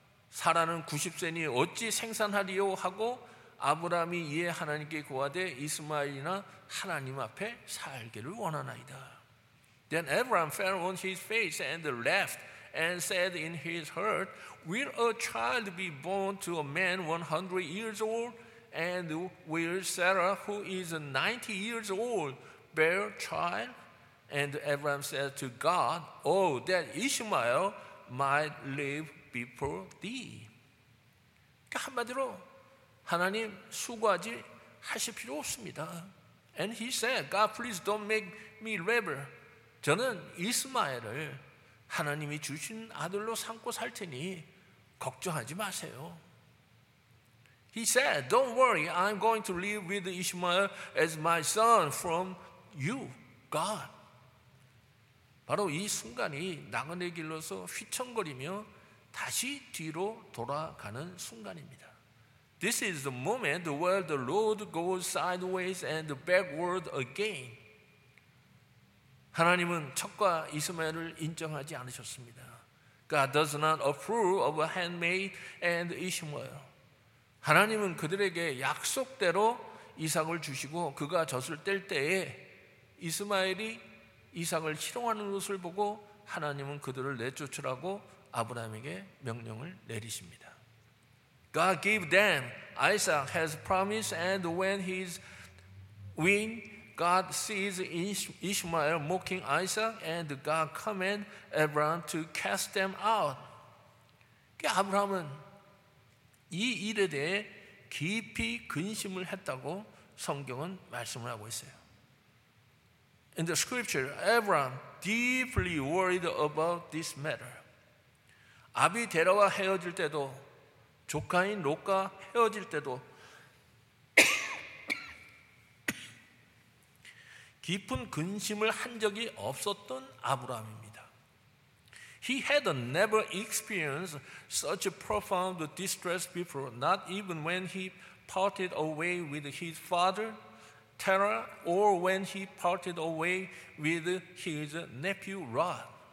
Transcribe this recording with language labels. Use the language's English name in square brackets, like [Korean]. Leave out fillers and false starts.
[Korean] 사라는 90세니 어찌 생산하리요? 하고 아브라함이 이에 하나님께 고하되 이스마엘이나 하나님 앞에 살기를 원하나이다. [English] Then Abraham fell on his face and laughed and said in his heart, Will a child be born to a man 100 years old? And will Sarah, who is 90 years old, bear child? And Abraham said to God, Oh, that Ishmael might live before thee. [Korean] 그러니까 한마디로 하나님 수고하지 하실 필요 없습니다. [English] And he said, God, please don't make me labor. [Korean] 저는 이스마엘을 하나님이 주신 아들로 삼고 살 테니 걱정하지 마세요. [English] He said, Don't worry, I'm going to live with Ishmael as my son from you, God. [Korean] 바로 이 순간이 나그네 길로서 휘청거리며 다시 뒤로 돌아가는 순간입니다. [English] This is the moment where the road goes sideways and backward again. [Korean] 하나님은 척과 이스마엘을 인정하지 않으셨습니다. [English] God does not approve of a handmaid and Ishmael. [Korean] 하나님은 그들에게 약속대로 이삭을 주시고 그가 젖을 뗄 때에 이스마엘이 이삭을 희롱하는 것을 보고 하나님은 그들을 내쫓으라고 아브라함에게 명령을 내리십니다. [English] God gave them Isaac has promised and when he's win God sees Ishmael mocking Isaac and God command Abraham to cast them out. [Korean] 그 아브라함은 이 일에 대해 깊이 근심을 했다고 성경은 말씀을 하고 있어요. [English] In the scripture, Abraham deeply worried about this matter. [Korean] 아비 데라와 헤어질 때도 조카인 롯과 헤어질 때도 깊은 근심을 한 적이 없었던 아브라함입니다. [English] He had never experienced such profound distress before, not even when he parted away with his father, Terah, or when he parted away with his nephew, Lot.